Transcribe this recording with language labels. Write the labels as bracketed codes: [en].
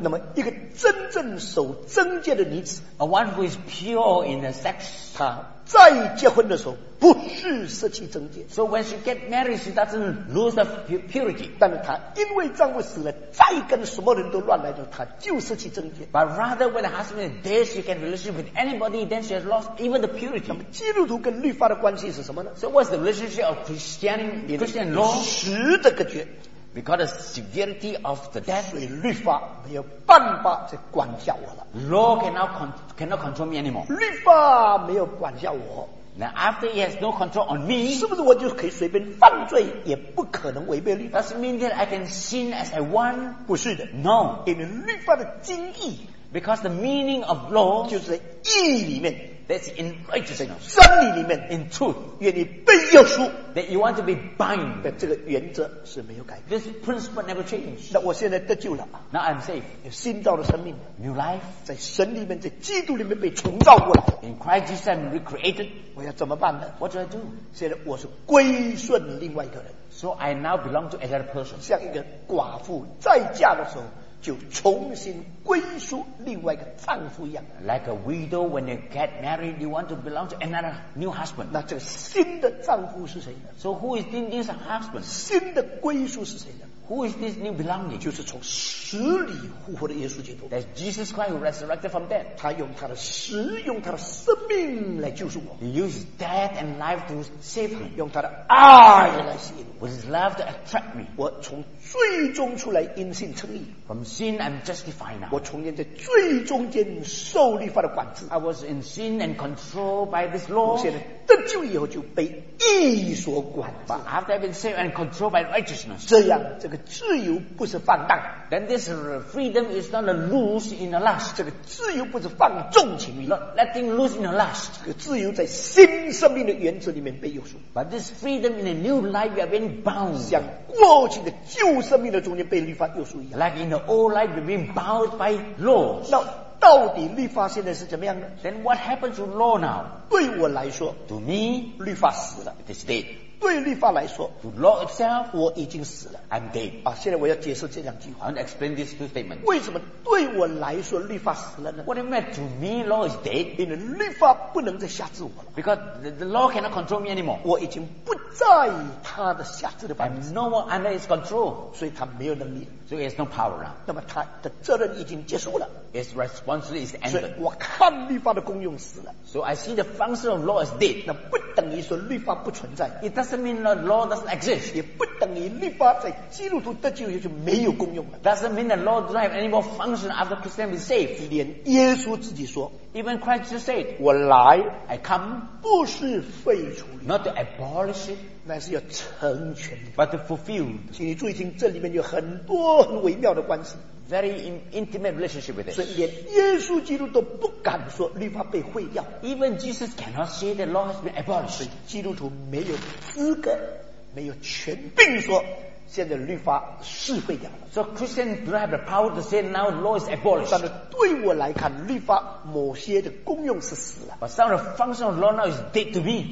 [zh] 那么一个真正守贞洁的女子 [en] A one who is pure in the sex [zh] 她再结婚的时候不是失去贞洁 [en] So when she get married She doesn't lose the purity [zh] 但是她因为丈夫死了再跟什么人都乱来的她就失去贞洁 [en] But rather when the husband is dead She can relationship with anybody Then she has lost even the purity [zh] 那么基督徒跟律法的关系是什么呢 [en] So what's the relationship of Christian law [zh] 死的隔绝 [en] Because the severity of the death [zh] 所以律法没有办法去管教我了 [en] Law cannot control me anymore [zh] 律法没有管教我 [en] Now after he has no control on me, [zh] 是不是我就可以随便犯罪，也不可能违背律法 [en] ？Does it mean that I can sin as I want? [zh] 不是的 [en] ，No. [zh] 因为律法的精义 [en] ，because the meaning of law [zh] 就是在义里面。 [en] That's in righteousness. [zh] 真理里面, [en] in truth. [zh] 愿意被耶稣, [en] that you want to be bound. [zh] 这个原则是没有改变, [en] this principle never changed. [zh] 那我现在得救了, [en] now I'm safe. [zh] 新造的生命, [en] new life. [zh] 在神里面, 在基督里面被重造过来, [en] in Christ Jesus I'm recreated. [zh] 我要怎么办呢? [en] What do I do? [zh] 现在我是归顺另外一个人, [en] so I now belong to another person. [zh] 像一个寡妇再嫁的时候, 就重新归属另外一个丈夫一样, [en] like a widow when you get married, you want to belong to another new husband. [zh] 那这个新的丈夫是谁呢? [en] So who is this husband? [zh] 新的归属是谁呢? [en] Who is this new belonging? [zh] 就是从死里复活的耶稣基督, [en] that's Jesus Christ who resurrected from death. [zh] 他用他的死, 用他的生命来救赎我, [en] he uses death and life to save me. [zh] 用他的爱来吸引, [en] with his love to attract me. [zh] 我从最终出来因信称义, [en] from sin I'm justified now. [zh] 我从前在最中间受律法的管制, [en] I was in sin and controlled by this law. [zh] 我现在得救以后就被义所管制, [en] after I've been saved and controlled by righteousness. [zh] 这样, 这个自由不是放荡, [en] then this freedom is not a loose in the lust. [zh] 这个自由不是放纵情欲, [en] not letting loose in the lust. [zh] 这个自由在新生命的原则里面被约束, [en] but this freedom in a new life you are being bound. [zh] 像过去的旧生命的中间被律法约束一样, [en] like in the old life you are being bound by laws. [zh] 那到底律法现在是怎么样呢? [en] Then what happens to law now? [zh] 对我来说, [en] to me, [zh] 律法死了, [en] it is dead. [zh] 对律法来说, [en] to law itself, [zh] 我已经死了, [en] I'm dead. [zh] 现在我要解释这两句话, [en] I want to explain these two statements. [zh] 为什么对我来说, 律法死了呢? [en] What do you mean to me, law is dead? [zh] 因为律法不能再辖制我了, [en] because the law cannot control me anymore. [zh] 我已经不在他的辖制的范围, [en] I'm no more under his control. [zh] 所以他没有能力, [en] so he has no power now. [zh] 那么他的责任已经结束了, [en] his responsibility is ended. [zh] 所以我看律法的功用死了, [en] so I see the function of law is dead. [zh] 那不等于说律法不存在, [en] it doesn't mean the law doesn't exist. [zh] 也不等于律法在基督徒得救就没有功用了, [en] doesn't mean the law doesn't have any more function after Christian is saved. [zh] 连耶稣自己说, [en] even Christ just said, [zh] 我来, [en] I come, [zh] 不是废除律法, [en] not to abolish it, [zh] 乃是要成全律法, [en] but to fulfill. [zh] 请你注意听这里面有很多很微妙的关系, [en] very intimate relationship with it. [zh] 所以连耶稣基督都不敢说律法被毁掉, [en] even Jesus cannot say the law has been abolished. [zh] 所以基督徒没有资格, 没有权柄说, 现在律法是废掉了, [en] so Christians do not have the power to say now law is abolished. [zh] 但是对我来看, 律法某些的功用是死了, [en] but some of the function of law now is dead to me.